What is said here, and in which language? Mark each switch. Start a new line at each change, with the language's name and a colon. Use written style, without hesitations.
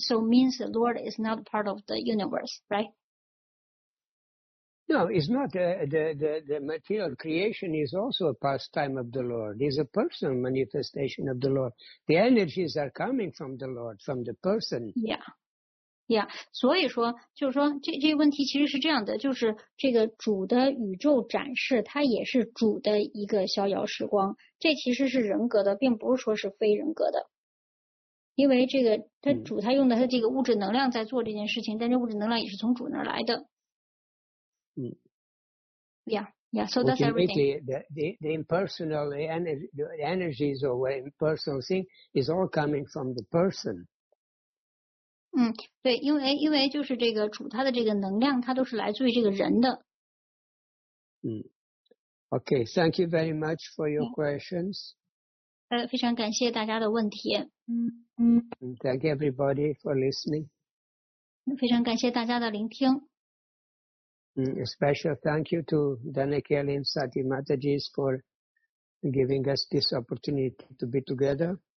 English: So means the Lord is not part of the universe, right? No, it's not. The material creation is also a pastime of the Lord. It's a personal manifestation of the Lord. The energies are coming from the Lord, from the person. Yeah. Yeah.
Chinese: 所以说就是说这个问题其实是这样的，就是这个主的宇宙展示它也是主的一个逍遥时光。这其实是人格的，并不是说是非人格的。因为这个他主他用的他这个物质能量在做这件事情，但这物质能量也是从主那来的。 Mm.
English: Yeah, so that's everything. The impersonal the energies or the impersonal thing is all coming from the person.
Chinese: 对，因为就是这个主他的这个能量，它都是来自于这个人的。
English: Okay, thank you very much for your questions.
Chinese: 非常感谢大家的问题。
English: Thank you everybody for listening.
Chinese: 非常感谢大家的聆听。
English: A special thank you to Danekele and Sati Mataji for giving us this opportunity to be together.